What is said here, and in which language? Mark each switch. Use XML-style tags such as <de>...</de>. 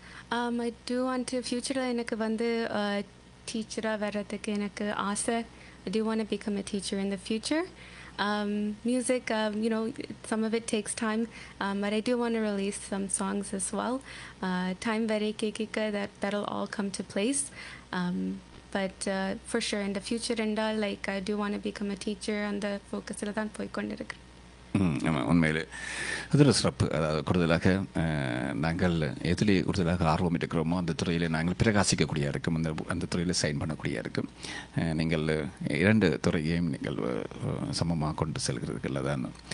<en>I do want to</en> <ta>future-ல எனக்கு வந்து டீச்சராக வர்றதுக்கு எனக்கு ஆசை.</ta> <en>I do want to become a teacher in the future. Music, you know, some of it takes time, but I do want to release some songs as well. Time</en> <ta>vare kekika,</ta> <en>that'll all come to place. But for sure, in the future, and like I do want to become a teacher and the focus la</en> <ta>dhan poikondirukken. ஆமாம், உண்மையிலே அதில் சிறப்பு. அதாவது கூடுதலாக நாங்கள் எதிலே கூடுதலாக ஆர்வம் இருக்கிறோமோ அந்த துறையிலே நாங்கள் பிரகாசிக்கக்கூடியா இருக்கும், அந்த துறையிலே சைன் பண்ணக்கூடியா இருக்கும். நீங்கள் இரண்டு துறையையும் நீங்கள் சமமாக கொண்டு செல்கிறீர்கள் தான்.</ta>